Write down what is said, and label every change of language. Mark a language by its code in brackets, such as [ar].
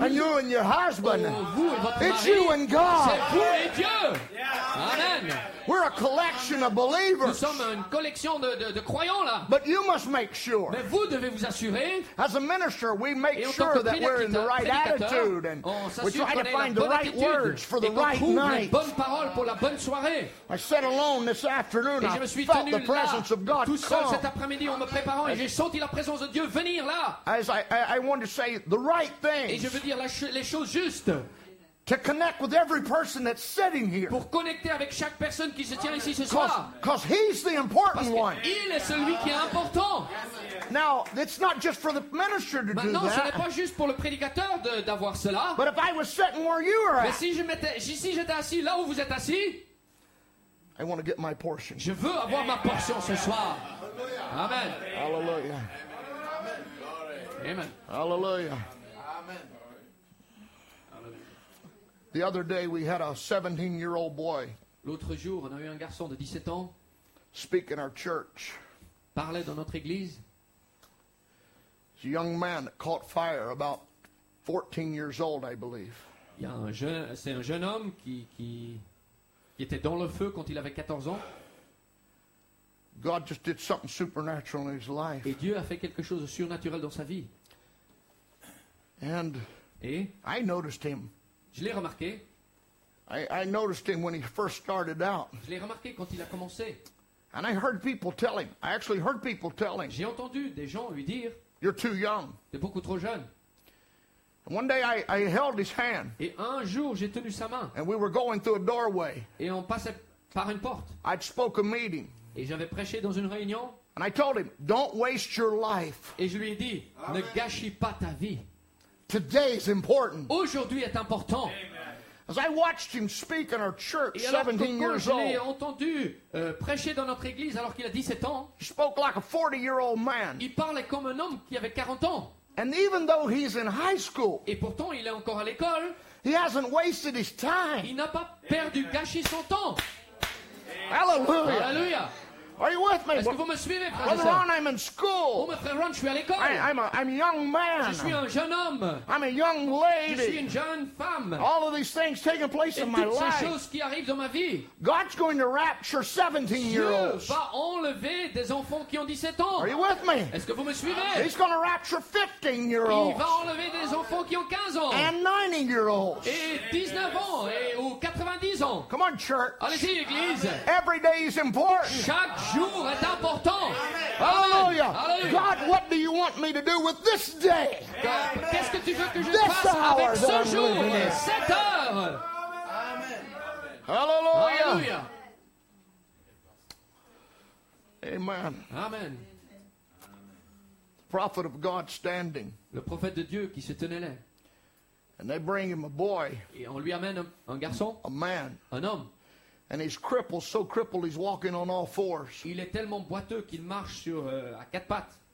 [en] And you and your husband. [fr] Oh, vous et votre [en] it's [fr] mari. [en] You and God. [fr] C'est vous et Dieu. Amen. [en] We're a collection of believers. [fr] Nous sommes une collection de croyants là. [en] But you must make sure. [fr] Mais vous devez vous assurer. [en] As a minister, we make sure that we're in the right attitude and we try to find the right words for the right night. [fr] Les bonnes paroles pour la bonne soirée. [en] I sat alone this afternoon. [fr] Et je me suis tenu là. [en] The presence of God [fr] tout seul cet après-midi en me préparant et j'ai senti la présence de Dieu venir là. [en] As I want to say the right things. [fr] Et je veux dire les choses justes. [en] To connect with every person that's sitting here. [fr] Pour connecter avec chaque personne qui se tient ici ce soir. [en] Because he's the important one. [fr] Il est celui qui est important. [en] Now, it's not just for the minister to [fr] maintenant, [en] do that. [fr] Ce n'est pas juste pour le prédicateur d'avoir cela. [en] But if I was sitting where you are [fr] mais si, je m'étais, si j'étais assis là où vous êtes assis, [en] I want to get my portion. [fr] Je veux avoir ma portion ce soir. [en] Amen. Hallelujah. Amen. Hallelujah. The other day we had a 17-year-old boy. [fr] L'autre jour, on a eu un garçon de 17 ans. [en] Speak in our church. [fr] Parlait dans notre église. [en] It's a young man that caught fire about 14 years old, I believe. [fr] Il y a un jeune, c'est un jeune homme qui était dans le feu quand il avait 14 ans. [en] God just did something supernatural in his life. [fr] Et Dieu a fait quelque chose de surnaturel dans sa vie. [en] And [fr] et [en] I noticed him. [fr] Je l'ai remarqué. [en] I noticed him when he first started out. [fr] Je l'ai remarqué quand il a commencé. [en] And I heard people tell him. I actually heard people tell him. [fr] J'ai entendu des gens lui dire. [en] You're too young. [fr] T'es beaucoup trop jeune. [en] And one day I held his hand. [fr] Et un jour j'ai tenu sa main. [en] And we were going through a doorway. [fr] Et on passait par une porte. [en] I'd spoke a meeting. [fr] Et j'avais prêché dans une réunion. [en] And I told him, don't waste your life. [fr] Et je lui ai dit, Amen. Ne gâchis pas ta vie. [en] Today is important. [fr] Aujourd'hui est important. [en] As I watched him speak in our church, 17 years old. [fr] Et alors que je l'ai entendu prêcher dans notre église alors qu'il a 17 ans. [en] He spoke like a 40-year-old man. [fr] Il parlait comme un homme qui avait 40 ans. [en] And even though he's in high school. [fr] Et pourtant il est encore à l'école. [en] He hasn't wasted his time. [fr] Il n'a pas perdu, gâché son temps. [en] Hallelujah. Hallelujah. Are you with me? [fr] Est-ce que vous me suivez, frère? [en] Brother Ron, I'm in school. [fr] Oh, mais frère Ron, je suis à l'école. [en] I'm a young man. [fr] Je suis un jeune homme. [en] I'm a young lady. [fr] Je suis une jeune femme. [en] All of these things taking place [fr] et [en] in my life. [fr] Toutes choses qui arrivent dans ma vie. [en] God's going to rapture 17-year-olds. [fr] Dieu va enlever des enfants qui ont 17 ans. [en] Are you with me? [fr] Est-ce que vous me suivez? [en] He's going to rapture 15-year-olds. [fr] Il va enlever des enfants qui ont 15 ans. [en] And 90-year-olds. [fr] Et 19 ans et ou 90 ans. [en] Come on, church. [fr] Allez-y, église. Amen. [en] Every day is important. [fr] Chaque jour est important. [en] Amen. Hallelujah. God, what do you want me to do with this day? Amen. [fr] Qu'est-ce que tu veux que je fasse avec ce jour, cette heure? [en] Amen. Hallelujah. Hallelujah. Amen. Amen. Prophet of God standing. [fr] Le prophète de Dieu qui se tenait là. [en] And they bring him a boy. [fr] Et on lui amène un garçon. [en] A man. [fr] Un homme. [en] And he's crippled, so crippled he's walking on all fours. [fr] Il est tellement boiteux qu'il marche sur à quatre pattes.